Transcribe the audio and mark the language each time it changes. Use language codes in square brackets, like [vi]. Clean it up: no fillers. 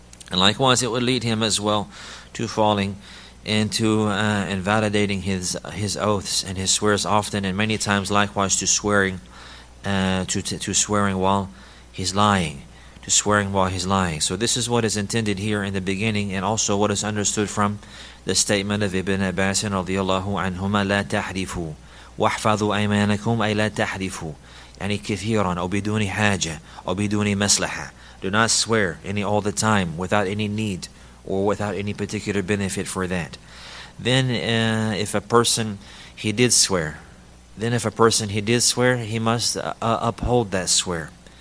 [en] And likewise, it would lead him as well to falling into invalidating his oaths and his swears often, and many times likewise to swearing to swearing while he's lying. So this is what is intended here in the beginning, and also what is understood from the statement of Ibn Abbas radiyallahu anhuma, la tahrifu. [ar] وَاحْفَظُوا أَيْمَانَكُمْ أَيْ لَا تَحْرِفُوا يعني كثيراً أو بدون حاجة أو بدون مسلحة. [en] Do not swear any all the time without any need or without any particular benefit for that. Then if a person did swear, he must uphold that swear.